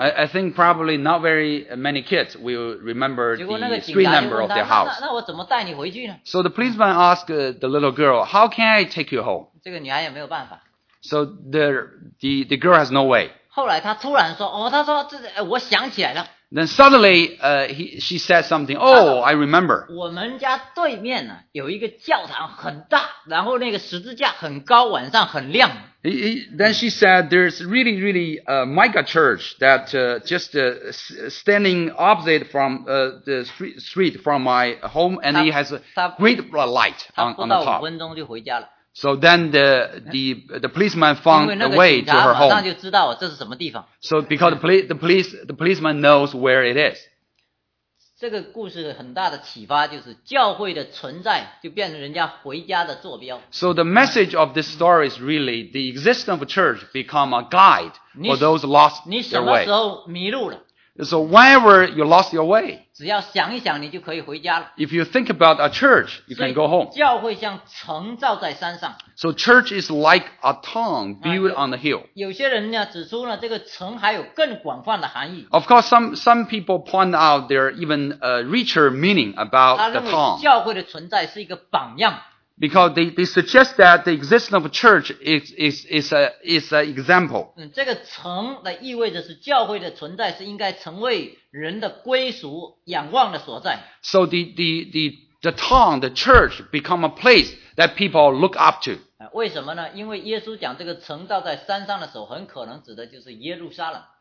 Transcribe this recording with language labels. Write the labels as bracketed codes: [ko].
[zh] 对 [en] I think probably not very many kids will remember the street number of their house. [zh] 那我怎么带你回去呢 [en] So the policeman asked the little girl, how can I take you home? [zh] 这个女孩也没有办法。 [en] So the girl has no way. [zh] 后来她突然说，哦，她说这，我想起来了。 [en] Then suddenly, she said something. Oh, I remember. [zh] 我们家对面呢有一个教堂很大，然后那个十字架很高，晚上很亮。 [en] Then she said, "There's really, really a mega church that standing opposite from the street from my home, and it has a great light on the top." [zh] 她不到五分钟就回家了。 [en] So then the policeman found a way to her home. [zh] 马上就知道这是什么地方。 [en] So because the policeman knows where it is. [zh] 这个故事很大的启发就是教会的存在就变成人家回家的坐标。 [en] So the message of this story is really the existence of a church become a guide for those lost their way. [zh] 你什么时候迷路了？ [en] So whenever you lost your way, [zh] 只要想一想你就可以回家了。 [en] If you think about a church, you can go home. [zh] 教会像城造在山上。 [en] So church is like a town built on the hill. [zh] 有些人呢指出呢这个城还有更广泛的含义。 [en] Of course, some people point out their even richer meaning about the town. [zh] 他认为教会的存在是一个榜样。 [en] Because they suggest that the existence of a church is an example. [zh] 这个城的意味着是教会的存在是应该成为人的归属仰望的所在。 [en] So the town, the church become a place that people look up to. [zh] 为什么呢？因为耶稣讲这个城造在山上的时候很可能指的就是耶路撒冷。